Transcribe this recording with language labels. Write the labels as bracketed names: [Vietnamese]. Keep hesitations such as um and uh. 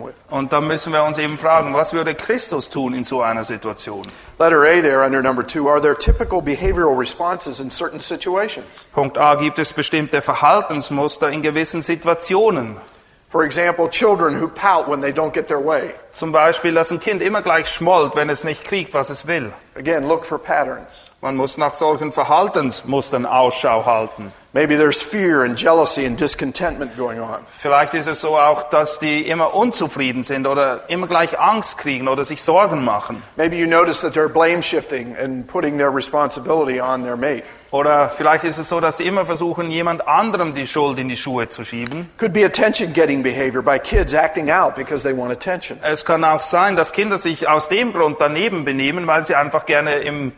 [German] Und dann müssen wir uns eben fragen, was würde Christus tun in so einer Situation? [English] A two, [German] Punkt A, gibt es bestimmte Verhaltensmuster in gewissen Situationen? [English] For example, children who pout when they don't get their way. [German] Zum Beispiel, dass ein Kind immer gleich schmollt, wenn es nicht kriegt, was es will. [English] Again, look for [German] patterns. Man muss nach solchen Verhaltensmustern Ausschau halten. [English] Maybe there's fear and jealousy and discontentment going on. [German] Vielleicht ist es so auch, dass die immer unzufrieden sind oder immer gleich Angst kriegen oder sich Sorgen machen. [English] Maybe you notice that they're blame shifting and putting their responsibility on their mate. [German] Oder vielleicht ist es so, dass sie immer versuchen, jemand anderem die Schuld in die Schuhe zu schieben. Es kann auch sein, dass Kinder sich aus dem Grund daneben benehmen, weil sie einfach gerne im